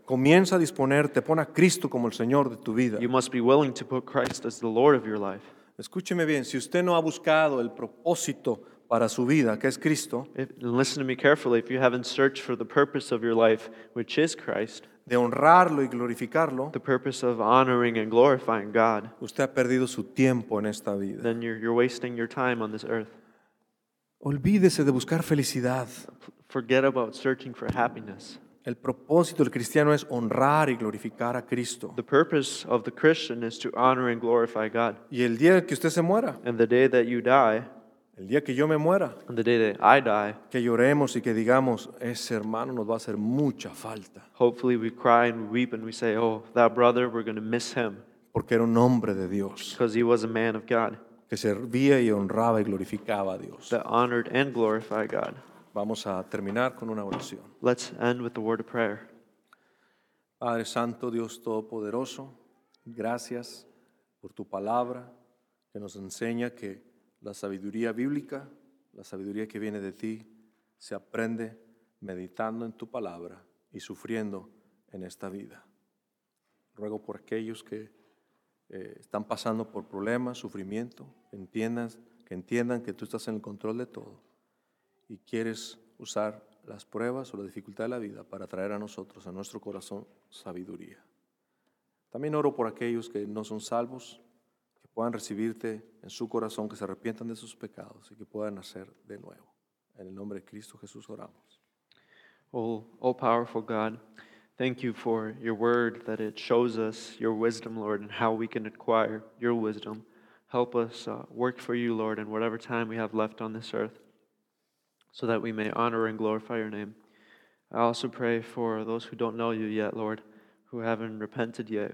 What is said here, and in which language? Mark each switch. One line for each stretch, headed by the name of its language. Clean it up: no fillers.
Spanish: Comienza a disponerte, pon a Cristo como el Señor de tu vida.
English: You must be willing to put Christ as the Lord of your life.
Spanish: Escúcheme bien, si usted no ha buscado el propósito para su vida, que es Cristo,
English: listen to me carefully, if you haven't searched for the purpose of your life, which is Christ,
Spanish: de honrarlo y glorificarlo,
English: the purpose of honoring and glorifying God,
Spanish: usted ha perdido su tiempo en esta vida.
English: Then you're wasting your time on this earth.
Spanish: Olvídese de buscar felicidad.
English: Forget about searching for happiness.
Spanish: El propósito del cristiano es honrar y glorificar a Cristo.
English: The purpose of the Christian is to honor and glorify God.
Spanish: Y el día que usted se muera.
English: And the day that you die.
Spanish: El día que yo me muera.
English: And the day that I die.
Spanish: Que lloremos y que digamos, ese hermano nos va a hacer mucha falta.
English: Hopefully we cry and weep and we say, oh, that brother, we're going to miss him.
Spanish: Porque era un hombre de Dios.
English: Because he was a man of God.
Spanish: Que servía y honraba y glorificaba a Dios.
English: That honored and glorified God.
Spanish: Vamos a terminar con una oración.
English: Let's end with the word of prayer.
Spanish: Padre Santo, Dios Todopoderoso, gracias por tu palabra que nos enseña que la sabiduría bíblica, la sabiduría que viene de ti, se aprende meditando en tu palabra y sufriendo en esta vida. Ruego por aquellos que están pasando por problemas, sufrimiento, que entiendan que tú estás en el control de todo. Y quieres usar las pruebas o la dificultad de la vida para traer a nosotros, a nuestro corazón, sabiduría. También oro por aquellos que no son salvos, que puedan recibirte en su corazón, que se arrepientan de sus pecados y que puedan nacer de nuevo. En el nombre de Cristo Jesús oramos.
English: Oh, all-powerful God, thank you for your word that it shows us your wisdom, Lord, and how we can acquire your wisdom. Help us work for you, Lord, in whatever time we have left on this earth. So that we may honor and glorify your name. I also pray for those who don't know you yet, Lord, who haven't repented yet, who haven't believed in you yet, Lord, that they may see you